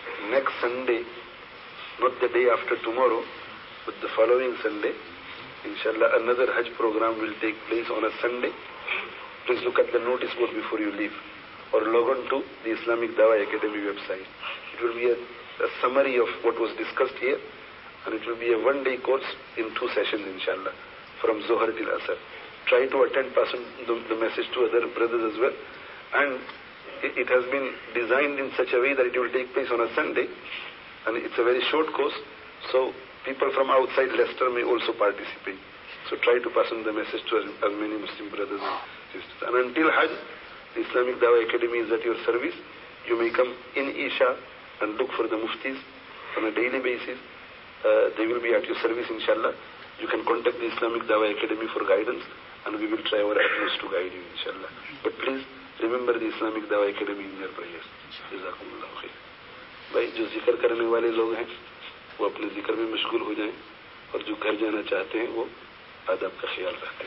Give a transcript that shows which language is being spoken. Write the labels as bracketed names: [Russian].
[English] Next Sunday, not the day after tomorrow, but the following Sunday, inshallah, another Hajj program will take place on a Sunday. Please look at the notice board before you leave, or log on to the Islamic Dawah Academy website. It will be a summary of what was discussed here, and it will be a one-day course in two sessions, inshallah, from Zuhr till Asr. Try to attend, pass on the message to other brothers as well, and it has been designed in such a way that it will take place on a Sunday, and it's a very short course, so people from outside Leicester may also participate. So try to pass on the message to as many Muslim brothers and sisters. And until Hajj, the Islamic Dawah Academy is at your service. You may come in Isha and look for the Muftis on a daily basis. They will be at your service, inshallah. You can contact the Islamic Dawah Academy for guidance, and we will try our utmost to guide you, inshallah. But please, remember the Islamic Dawah Academy in your prayer, جزاکم اللہ خیر. [Urdu] بھائی جو ذکر کرنے والے لوگ ہیں وہ اپنے ذکر میں مشغول ہو جائیں، اور جو گھر جانا چاہتے ہیں وہ آداب کا خیال رکھیں.